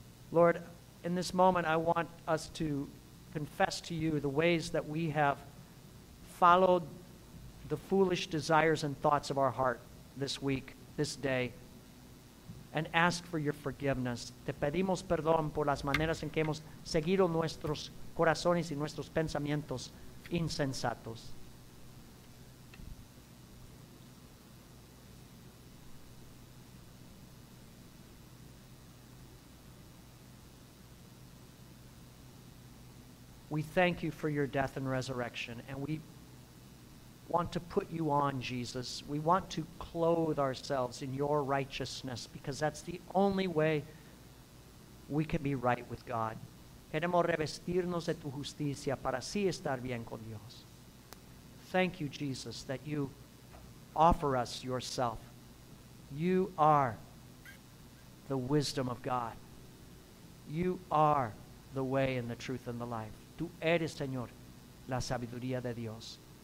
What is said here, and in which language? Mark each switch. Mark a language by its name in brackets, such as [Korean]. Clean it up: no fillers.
[English] Lord, in this moment, I want us to confess to you the ways that we have followed the foolish desires and thoughts of our heart this week, this day, and ask for your forgiveness. [Spanish] Te pedimos perdón por las maneras en que hemos seguido nuestros corazones y nuestros pensamientos insensatos. [English] We thank you for your death and resurrection, and we want to put you on, Jesus. We want to clothe ourselves in your righteousness, because that's the only way we can be right with God. [Spanish] Queremos revestirnos de tu justicia para así estar bien con Dios. [English] Thank you, Jesus, that you offer us yourself. You are the wisdom of God. You are the way and the truth and the life. [Spanish] Tú eres, Señor, la sabiduría de Dios.